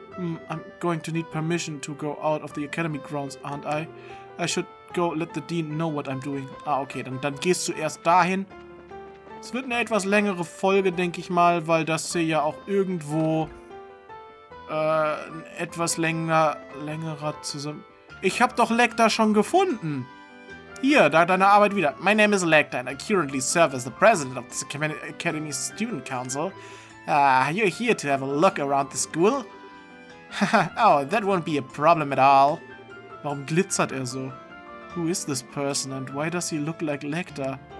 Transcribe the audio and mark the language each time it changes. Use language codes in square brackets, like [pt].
[en] I'm going to need permission to go out of the academy grounds, aren't I? I should go let the dean know what I'm doing. [de] Ah, okay, dann gehst du erst dahin. Es wird eine etwas längere Folge, denke ich mal, weil das hier ja auch irgendwo etwas längerer zusammen... Ich hab doch Lecter schon gefunden! Hier, da deine Arbeit wieder. [en] My name is Lecter and I currently serve as the president of the Academy Student Council. You're here to have a look around the school? Oh, that won't be a problem at all. [de] Warum glitzert so? [en] Who is this person and why does he look like Lecter?